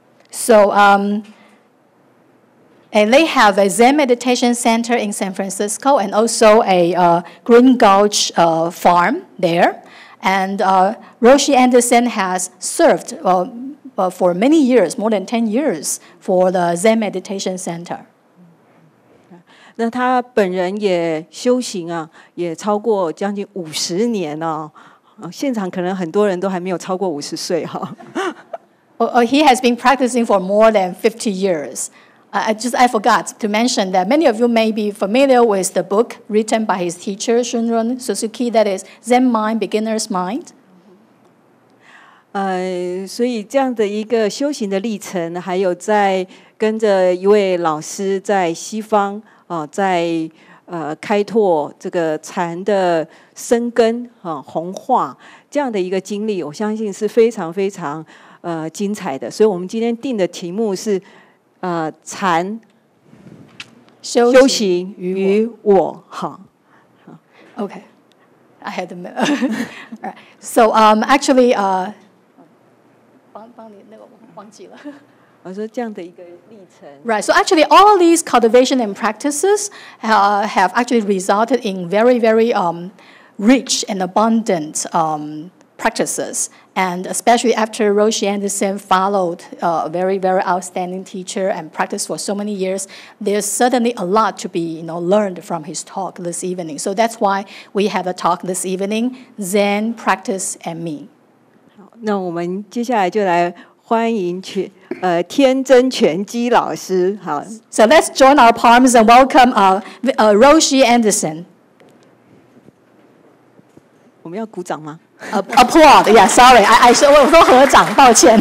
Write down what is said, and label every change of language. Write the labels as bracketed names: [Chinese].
[English] So and they have a Zen meditation center in San Francisco, and also a Green Gulch farm there. And Roshi Anderson has served for many years, more than 10 years, for the Zen Meditation Center. [Chinese] 那他本人也修行啊，也超过将近50年哦。现场可能很多人都还没有超过50岁哈。 [English] He has been practicing for more than 50 years. I forgot to mention that many of you may be familiar with the book written by his teacher, Shunrun Suzuki, that is Zen Mind, Beginner's Mind. [Chinese] 所以这样的一个修行的历程，还有在跟着一位老师在西方，在开拓这个禅的生根，弘化，这样的一个经历，我相信是非常非常精彩的。所以我们今天定的题目是禅修行与我哈。 [English] Okay, I had the right. So actually, [Chinese] 帮你那个忘记了。我说这样的一个历程。 [English] Right. So actually, all these cultivation and practices have actually resulted in very, very rich and abundant practices. And especially after Roshi Anderson followed a very, very outstanding teacher and practiced for so many years, there's certainly a lot to be, you know, learned from his talk this evening. So that's why we have a talk this evening, Zen, Practice, and Me. [Chinese] 那我们接下来就来欢迎天真全基老师。好 [English] ，So let's join our palms and welcome Roshi Anderson。 [Chinese] 我们要鼓掌吗 [English] ？Applaud. Yeah, sorry. I said [Chinese] 我说合掌，抱歉。